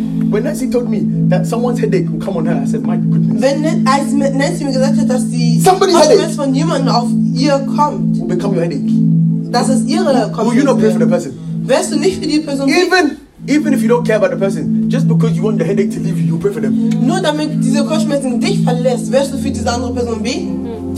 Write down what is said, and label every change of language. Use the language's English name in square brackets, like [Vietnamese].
[English] When Nancy told me that someone's headache will come on her, I said, my goodness. [German] Wenn als Nancy mir gesagt hat, dass die Schmerz von jemandem auf ihr kommt, [English] will become your headache. [German] Das ist ihre Kopfschmerz. [English] Will you not pray for the person? [German] Wärst du nicht für die Person? [English] Even if you don't care about the person, just because you want the headache to leave you, you pray for them. [German] Nur damit diese Kopfschmerzen dich verlässt, wärst du für diese andere Person beten?